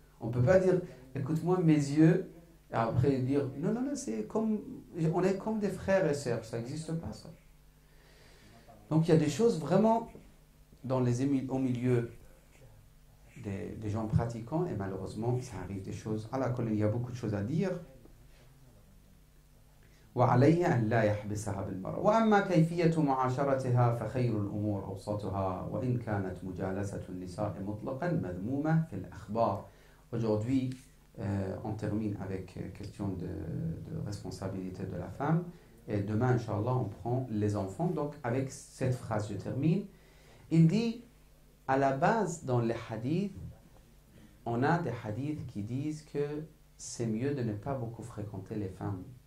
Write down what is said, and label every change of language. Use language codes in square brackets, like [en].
[fr] On ne peut pas dire, écoute-moi mes yeux, et après dire, non, non, non, c'est comme, on est comme des frères et sœurs, ça n'existe pas ça. Donc il y a des choses vraiment au milieu des gens pratiquants, et malheureusement, ça arrive des choses. À la colonie, il y a beaucoup de choses à dire. [ar] وعليه أن لا يحبسها بالمرأة وأما كيفية معاشرتها فخير الأمور أوسطها وإن كانت مجالسة النساء مطلقا مذمومة في الأخبار. [fr] Aujourd'hui, on termine avec question de responsabilité de la femme. Et demain, inshallah, on prend les enfants. Donc, avec cette phrase, je termine. Il dit, à la base, dans les hadiths, on a des hadiths qui disent que c'est mieux de ne pas beaucoup fréquenter les femmes.